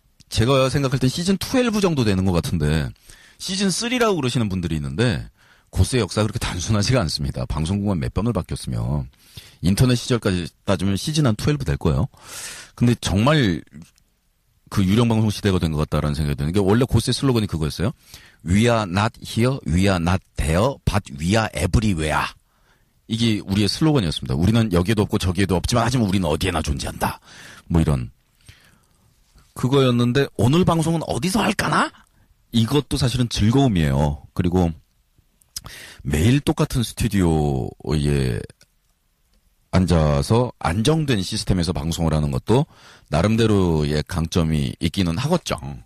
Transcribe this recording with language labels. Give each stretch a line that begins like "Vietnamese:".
Korean: 제가 생각할 때 시즌 12 정도 되는 것 같은데 시즌 3라고 그러시는 분들이 있는데 고스의 역사가 그렇게 단순하지가 않습니다. 방송국만 몇 번을 바뀌었으며 인터넷 시절까지 따지면 시즌 한 12 될 거예요. 근데 정말 그 유령방송 시대가 된 것 같다라는 생각이 드는 게 원래 고스의 슬로건이 그거였어요.
English: We are not here, we are not there, but we are everywhere.
Korean: 이게 우리의 슬로건이었습니다. 우리는 여기에도 없고 저기에도 없지만 하지만 우리는 어디에나 존재한다. 뭐 이런. 그거였는데 오늘 방송은 어디서 할까나? 이것도 사실은 즐거움이에요. 그리고 매일 똑같은 스튜디오에 앉아서 안정된 시스템에서 방송을 하는 것도 나름대로의 강점이 있기는 하겠죠.